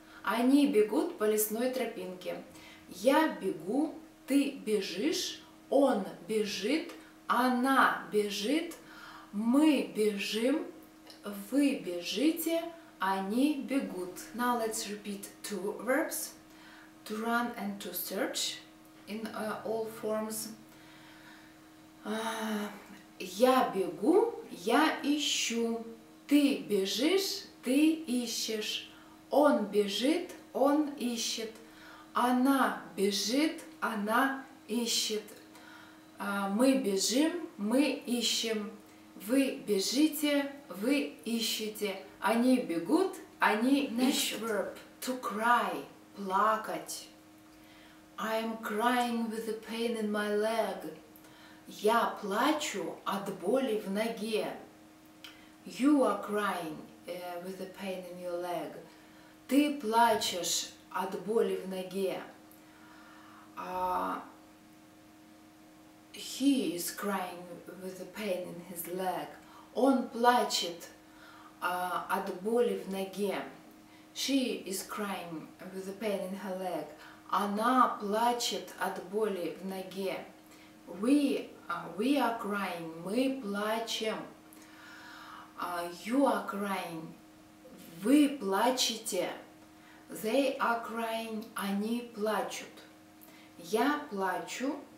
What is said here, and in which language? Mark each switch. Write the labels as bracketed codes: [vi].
[ru] Они бегут по лесной тропинке. Я бегу, ты бежишь, он бежит, она бежит, мы бежим, вы бежите, они бегут. [en] Now let's repeat two verbs. To run and to search in all forms. [ru] Я бегу, я ищу. Ты бежишь, ты ищешь. Он бежит, он ищет. Она бежит, она ищет. Мы бежим, мы ищем. Вы бежите, вы ищете. Они бегут, они ищут. [en] Next verb. To cry. [ru] Плакать. [en] I am crying with the pain in my leg. [ru] Я плачу от боли в ноге. [en] You are crying with the pain in your leg. [ru] Ты плачешь от боли в ноге. [en] He is crying with the pain in his leg. [ru] Он плачет от боли в ноге. [en] She is crying with the pain in her leg. [ru] Она плачет от боли в ноге. [en] We are crying. [ru] Мы плачем. [en] You are crying. [ru] Вы плачете. [en] They are crying. [ru] Они плачут. Я плачу.